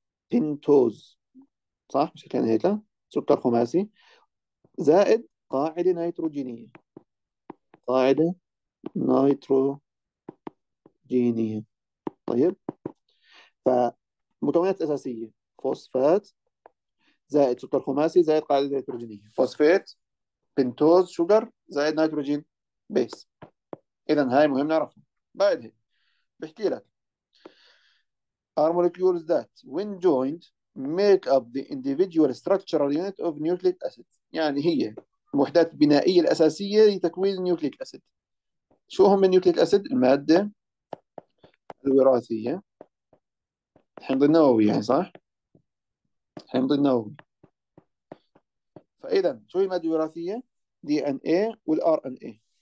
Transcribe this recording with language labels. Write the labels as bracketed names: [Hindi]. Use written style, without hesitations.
[Arabic] بنتوز، صح؟ مش كان هيك؟ سكر خماسي زائد قاعدة نيتروجينية، قاعدة نيتروجينية. طيب فمكونات أساسية: فوسفات زائد سكر خماسي زائد قاعدة نيتروجينية، فوسفات بنتوز شوجر زائد نيتروجين بيس. إذا هاي مهم نعرفها. بعد هيك بحكي لك: [English] Our molecules that when joined make up the individual structural unit of nucleic acid. [Arabic] يعني هي الوحدات البنائية الأساسية لتكوين النيوكليك أسيد. شو هم النيوكليك أسيد؟ المادة الوراثية، الحمض النووي يعني، صح؟ الحمض النووي. فإذا شو هي المادة الوراثية؟ دي إن إيه والآر إن إيه.